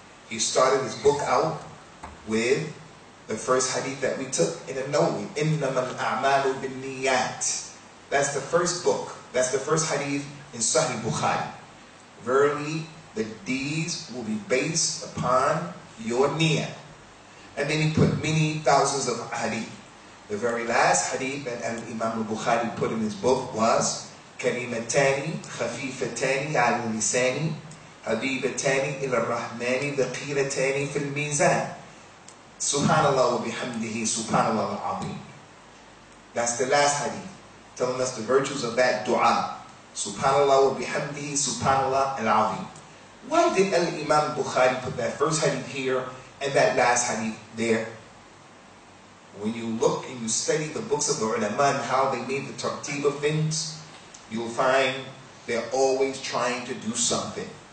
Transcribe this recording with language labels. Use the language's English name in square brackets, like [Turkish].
[English] He started his book out with the first hadith that we took in the Nawawi, [Arabic] إِنَّمَا الْأَعْمَالُ بِالنِّيَّاتِ. [English] That's the first book. That's the first hadith in Sahih Bukhari. Verily, the deeds will be based upon your niyyah. And then he put many thousands of hadith. The very last hadith that Al-Imam al-Bukhari put in his book was [Arabic] كَلِمَتَانِ خَفِيفَتَانِ عَلَى اللِّسَانِ حَبِيبَتَانِ إِلَى الرَّحْمَنِ ذَقِيلَتَانِ فِي الْمِيزَانِ سُبْحَانَ اللَّهُ وَبِحَمْدِهِ سُبْحَانَ اللَّهُ الْعَظِيمِ. [English] That's the last hadith, telling us the virtues of that dua. [Arabic] سُبْحَانَ اللَّهُ وَبِحَمْدِهِ سُبْحَانَ اللَّهُ الْعَظِيمِ. [English] Why did Al-Imam al-Bukhari put that first hadith here and that last hadith there? When you look and you study the books of the ulama and how they made the tartib of things, you'll find they're always trying to do something.